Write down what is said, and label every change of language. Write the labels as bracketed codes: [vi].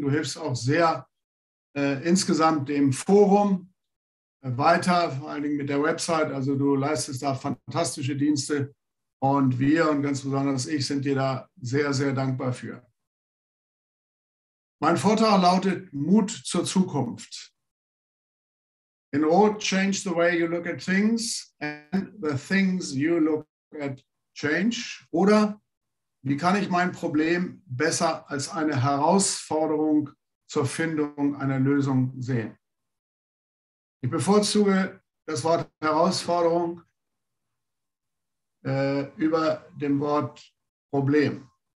[de] Du hilfst auch sehr insgesamt dem Forum weiter, vor allen Dingen mit der Website. Also du leistest da fantastische Dienste und wir und ganz besonders ich sind dir da sehr, sehr dankbar für. Mein Vortrag lautet Mut zur Zukunft. In Rot, [en] change the way you look at things and the things you look at change. [de] Oder wie kann ich mein Problem besser als eine Herausforderung zur Findung einer Lösung sehen? Ich bevorzuge das Wort Herausforderung über dem Wort Problem.